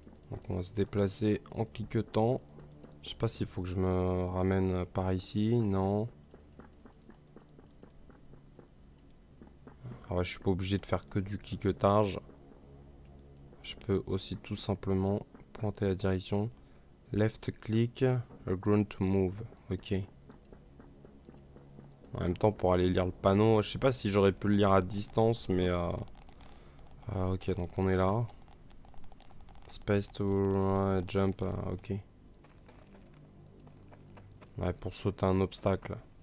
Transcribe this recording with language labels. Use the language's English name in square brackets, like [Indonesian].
[French] Donc on va se déplacer en cliquetant. Je sais pas s'il faut que je me ramène par ici, non. Ah ouais, je suis pas obligé de faire que du cliquetage. Je peux aussi tout simplement pointer la direction. [English] Left click, a ground to move. Ok. [French] En même temps, pour aller lire le panneau, je sais pas si j'aurais pu le lire à distance, mais... ok, donc on est là. [English] Space to jump, [French] ok. Ouais, pour sauter un obstacle.